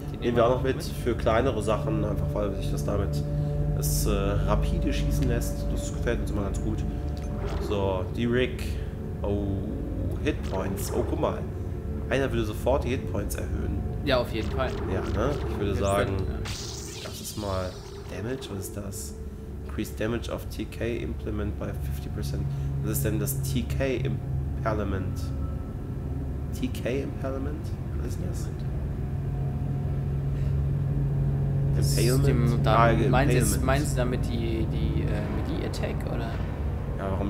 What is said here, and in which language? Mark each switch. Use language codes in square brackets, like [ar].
[de] Ja, nehmen wir auch noch mit für kleinere Sachen, einfach weil sich das damit das rapide schießen lässt. Das gefällt uns immer ganz gut. So, die Rig. Oh, Hitpoints. Oh, guck mal. Einer würde sofort die Hitpoints erhöhen. Ja, auf jeden Fall. Ja, ne? Ich würde jetzt sagen, das ist mal Damage. Was ist das? [en] Increased Damage of TK Implement by 50%. [de] Was ist denn das TK Impalement? TK Impalement? Was ist das? Impalement? Dem, dann, ah, Impalement. Meinst du damit die Attack, oder? Ja, warum?